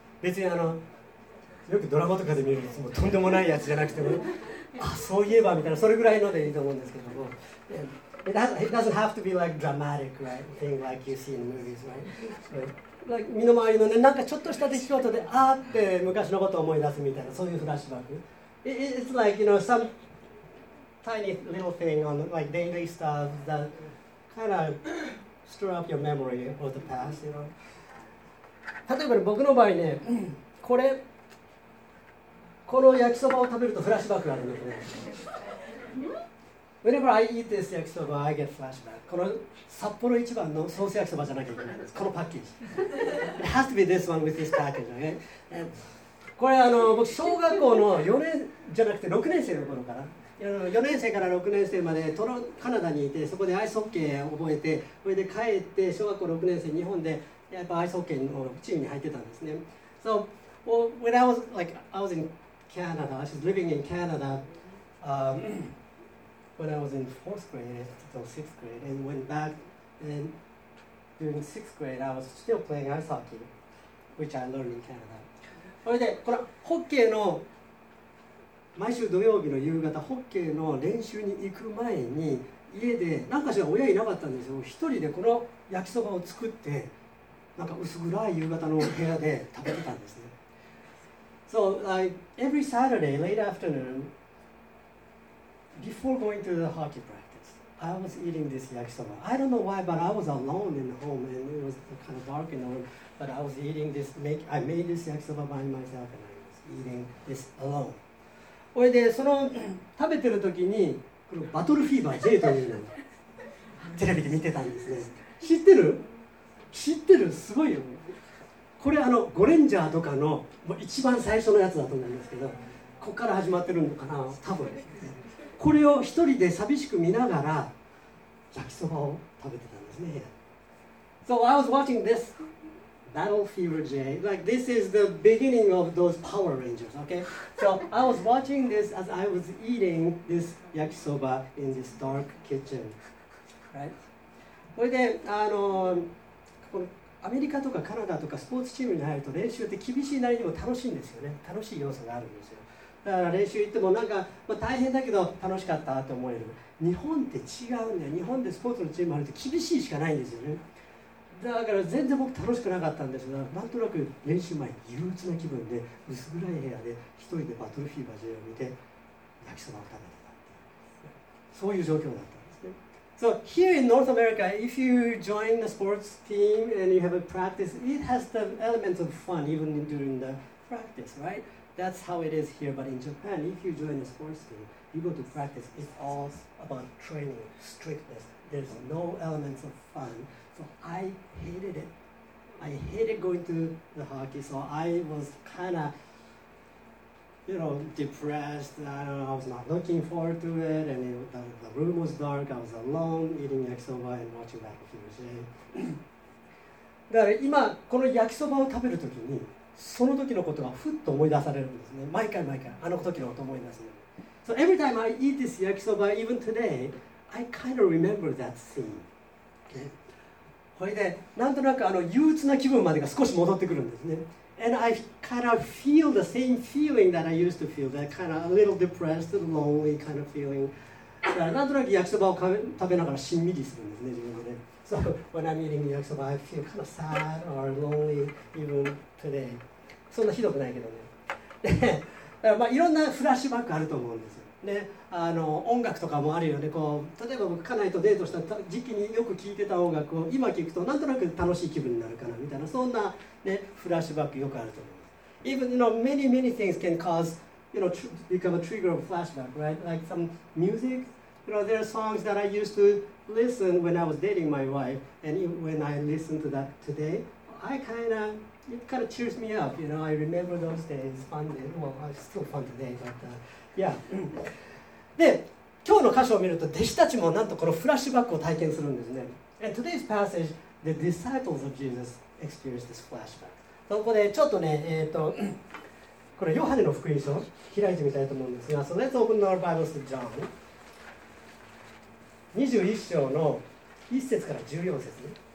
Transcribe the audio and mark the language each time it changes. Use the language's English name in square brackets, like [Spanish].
[Japanese] 別にあのよくドラマとかで見るやつもとんでもないやつじゃなくても、あそういえばみたいな、それぐらいのでいいと思うんですけども。 [English] It doesn't have to be like dramatic, right? Thing like you see in movies, right? [Japanese] Like, 身の回りのね、なんかちょっとした出来事で、あーって昔のことを思い出すみたいな、そういうフラッシュバック。 [English] It's like, you know, some tiny little thing on like daily stuff that kind of stir up your memory of the past, you know? [Japanese] 例えば、ね、僕の場合ね、これ、この焼きそばを食べるとフラッシュバックがあるんですね。 [English] Whenever I eat this 焼きそば, I get flashback. [Japanese] この札幌一番のソース焼きそばじゃなきゃいけないんです。このパッケージ。 [English] It has to be this one with this package, right?、Okay? [Japanese] これあの僕小学校の4年じゃなくて6年生の頃から、4年生から6年生までトロカナダにいて、そこでアイスホッケーを覚えて、それで帰って小学校6年生日本でやっぱアイスホッケーのチームに入ってたんですね。 [English] So when I was like I was in Canada, I was living in Canada.、When I was in fourth grade until sixth grade, and went back, and during sixth grade, I was still playing ice hockey, which I learned in Canada. [Japanese] それでこのホッケーの毎週土曜日の夕方ホッケーの練習に行く前に家でなんかしら親いなかったんですよ。一人でこの焼きそばを作ってなんか薄暗い夕方の部屋で食べてたんですね。 [English] So like every Saturday late afternoon. Before going to the hockey practice, I was eating this yakisoba. I don't know why, but I was alone in the home and it was kind of dark and old, but I was eating this, I made this yakisoba by myself and I was eating this alone. [Japanese] それでその食べてる時にこのバトルフィーバー J というのをテレビで見てたんですね。知ってる？知ってる？すごいよ。これあのゴレンジャーとかの一番最初のやつだと思うんですけど、ここから始まってるのかな、多分。これを一人で寂しく見ながら焼きそばを食べてたんですね。 [English] So I was watching this Battle Fever J. Like this is the beginning of those Power Rangers, okay? So I was watching this as I was eating this 焼きそば in this dark kitchen, right? [Japanese] それでこのアメリカとかカナダとかスポーツチームに入ると練習って厳しいなりにも楽しいんですよね。楽しい要素があるんですよ。だから練習行ってもなんか、まあ、大変だけど楽しかったと思える。日本って違うんだよ。日本でスポーツのチームあると厳しいしかないんですよね。だから全然僕楽しくなかったんですが、なんとなく練習前憂鬱な気分で薄暗い部屋で一人でバトルフィーバー J を見て焼きそばを食べてたって、そういう状況だったんですね。 [English] So here in North America, if you join the sports team and you have a practice, it has the elements of fun even during the practice, rightThat's how it is here, but in Japan, if you join a sports team, you go to practice, it's all about training, strictness. There's no elements of fun. So I hated it. I hated going to the hockey, so I was kind of, you know, depressed. I don't know, I was not looking forward to it, and the room was dark. I was alone, eating yakisoba and watching Battle Fever J. [Japanese] だから今、この焼きそばを食べるときに、その時のことがふっと思い出されるんですね。毎回毎回あの時のことを思い出す。 [English] So every time I eat this yakisoba, even today, I kind of remember that scene. OK? [Japanese] それでなんとなくあの憂鬱な気分までが少し戻ってくるんですね。 [English] And I kind of feel the same feeling that I used to feel, that kind of a little depressed, lonely kind of feeling. [Japanese] だからなんとなく焼きそばを食べながらしんみりするんですね、自分で。 [English] So when I'm eating yakisoba, I feel kind of sad or lonely even today. [Japanese] そんなひどくないけどね。で、まあ、いろんなフラッシュバックあると思うんですよ。ね、あの音楽とかもあるよね。こう例えば僕家内とデートした時期によく聴いてた音楽を今聴くとなんとなく楽しい気分になるかなみたいな、そんな、ね、フラッシュバックよくあると思う。 [English] Even you know, many many things can cause you know, become a trigger of flashback, right? Like some music. You know, there are songs that I used toListen when I was dating my wife, and when I listen to that today, I kind of it kind of cheers me up. You know, I remember those days, fun days. Well, it's still fun today, but yeah. [Japanese] で、今日の箇所を見ると弟子たちもなんとこのフラッシュバックを体験するんですね。 [English] And today's passage, the disciples of Jesus experienced this flashback. [Japanese] そこでちょっとね、これヨハネの福音書開いてみたいと思うんですが、 [English] So let's open our Bibles to John [Japanese] 21章の1節から14節ね。